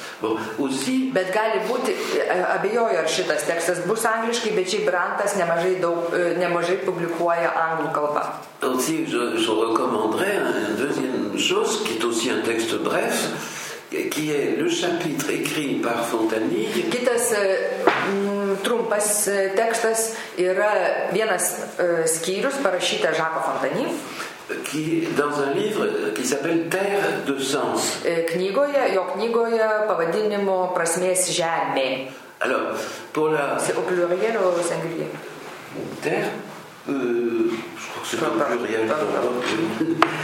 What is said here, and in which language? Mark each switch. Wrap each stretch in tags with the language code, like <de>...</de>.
<lt>Bet gali būti, abejoju, ar šitas tekstas bus angliškai, bet šiaip Brantas nemažai publikuoja anglų kalbą.</lt> <fr>Aussi, je recommanderais une deuxième chose, qui est aussi un texte bref, qui est le chapitre écrit par Fontani.</fr> <lt>Kitas trumpas tekstas yra vienas skyrius parašytas Žako Fontani.</lt> <fr>qui dans un livre qui s'appelle Terre de sens.</fr> <lt>Knygoje, jo knygoje pavadinimu Prasmės žemė.</lt> <fr>Alors, pour la c'est au pluriel ou au singulier? Terre je crois que c'est pas au pluriel dans la langue.</fr>